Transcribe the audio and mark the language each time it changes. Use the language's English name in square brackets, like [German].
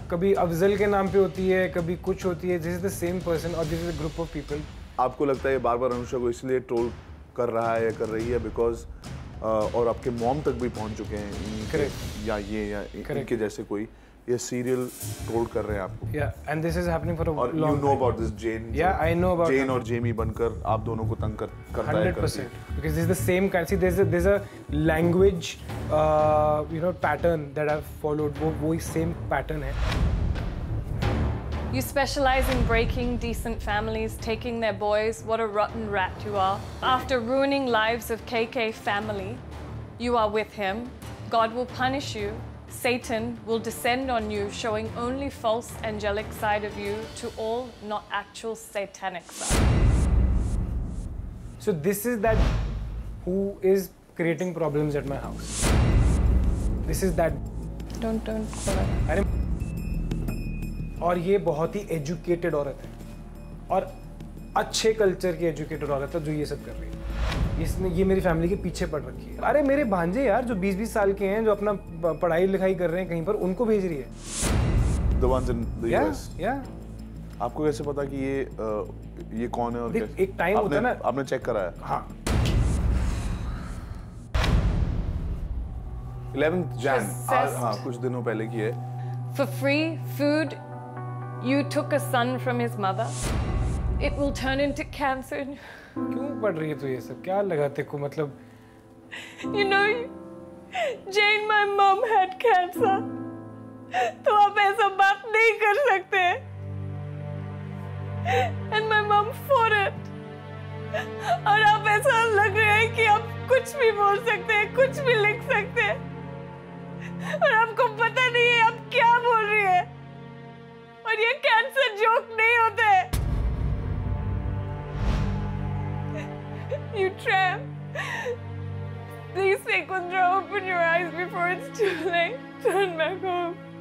[Hindi] कभी अफजल के नाम पे होती है कभी कुछ होती है [English] This is the same person [Hindi] और [English] this is a group of people. [Hindi] आपको लगता है ये बार-बार अनुषा को इसलिए ट्रोल कर रहा है या कर रही है because और आपके मॉम तक भी पहुंच चुके हैं या इनके जैसे कोई ये सीरियल ट्रोल कर रहे हैं आपको [English] Yeah, and this is happening for a long time. You know about this Jane. Yeah, I know about [Hindi] Jane और जेमी बनकर आप दोनों को तंग करता है [English] 100% because this is the same kind. See, there's a language you know pattern that I've followed. [Hindi] वो same pattern है. [English] You specialize in breaking decent families, taking their boys. What a rotten rat you are! After ruining lives of KK family, you are with him. God will punish you. Satan will descend on you, showing only false angelic side of you to all, not actual satanic side. So this is that who is creating problems at my house. This is that. Don't. [Hindi] और ये बहुत ही educated औरत है और अच्छे culture की educated औरत है जो ये सब कर रही है. इसने ये मेरी फैमिली के पीछे पड़ रखी है अरे मेरे भांजे यार जो 20-20 साल के हैं जो अपना पढ़ाई लिखाई कर रहे हैं कहीं पर उनको भेज रही है [English] The ones in the US. Yeah. [Hindi] आपको कैसे पता कि ये कौन है और देख, एक टाइम होता है ना आपने चेक करा है हाँ 11th Jan हाँ कुछ दिनों पहले की है [English] For free food, you took a son from his mother. It will turn into cancer. [Hindi] क्यों पढ़ रही है तू ये सब क्या लगा तेरे को मतलब [English] You know, Jane, my mom had cancer. [Hindi] तो आप ऐसा बात नहीं कर सकते. [English] And my mom fought it. [Hindi] और आप ऐसा लग रहे हैं कि आप कुछ भी बोल सकते हैं कुछ भी लिख सकते हैं और आपको पता नहीं है आप क्या बोल रही है और ये कैंसर जोक नहीं होते [English] You tramp. Please say Kundra, open your eyes before it's too late. Turn back home.